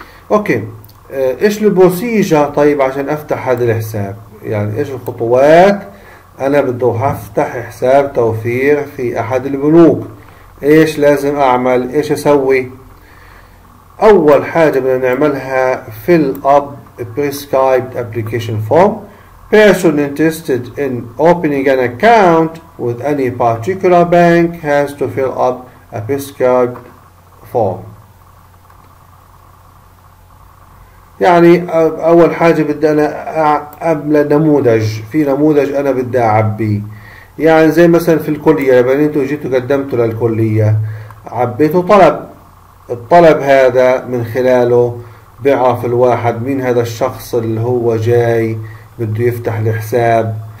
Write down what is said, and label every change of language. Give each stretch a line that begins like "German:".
Arabic: أوكي، إيش البروسيجر طيب عشان أفتح هذا الحساب؟ يعني إيش الخطوات؟ أنا بدي أفتح حساب توفير في أحد البنوك، إيش لازم أعمل؟ إيش أسوي؟ أول حاجة بدنا نعملها
English: fill up prescribed application form. Person interested in opening an account with any particular bank has to fill up a prescribed form.
Arabic: يعني أول حاجة بدي أنا أملأ نموذج، في نموذج أنا بدي أعبيه. يعني زي مثلا في الكلية، لما أنتوا جيتوا قدمتوا للكلية عبيتوا طلب، الطلب هذا من خلاله بيعرف الواحد مين هذا الشخص اللي هو جاي بده يفتح الحساب.